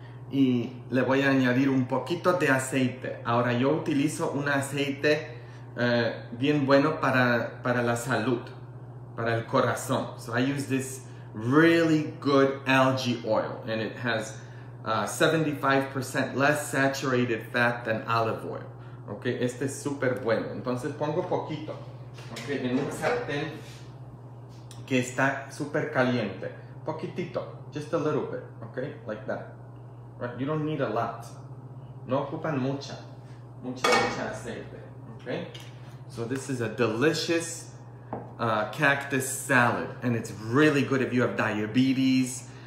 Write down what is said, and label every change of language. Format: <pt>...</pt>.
<es>Y le voy a añadir un poquito de aceite. Ahora, yo utilizo un aceite bien bueno para la salud. Para el corazón.</es> <en>So I use this really good algae oil, and it has 75% less saturated fat than olive oil.</en> <es>Okay, este es super bueno. Entonces pongo poquito, okay, en un sartén que está super caliente.</es> <en>Poquitito, just a little bit, okay, like that. Right, you don't need a lot.</en> <es>No ocupan mucha aceite.</es> <en>Okay, so this is a delicious cactus salad, and it's really good if you have diabetes.</en>